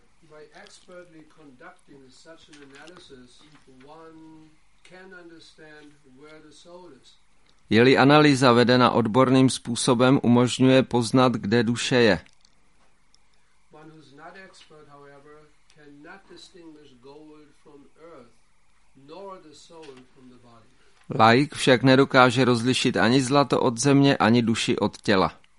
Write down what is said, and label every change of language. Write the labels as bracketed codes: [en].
[en] By expertly conducting such an analysis, one can understand where the soul is. [cs] Je-li analýza vedena odborným způsobem, umožňuje poznat, kde duše je. [en] One who is not expert, however, cannot distinguish gold from earth, nor the soul from the body. [cs] Laik však nedokáže rozlišit ani zlato od země, ani duši od těla.